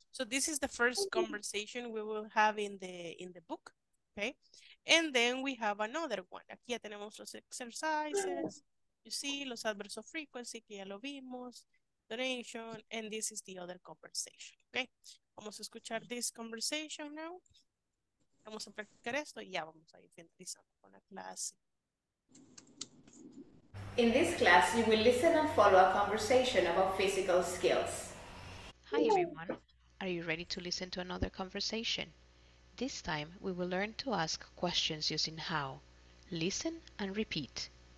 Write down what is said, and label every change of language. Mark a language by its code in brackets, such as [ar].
[en] So this is the first conversation we will have in the book, okay? And then we have another one. [es] Aquí ya tenemos los [en] exercises, You see, los adverbs of frequency, [es] que ya lo vimos, [en] duration, and this is the other conversation, okay? [es] Vamos a escuchar [en] this conversation now. [es] Vamos a practicar esto y ya vamos a ir finalizando con la clase. [en] In this class, you will listen and follow a conversation about physical skills. Hi, everyone. Are you ready to listen to another conversation? This time, we will learn to ask questions using how. Listen and repeat.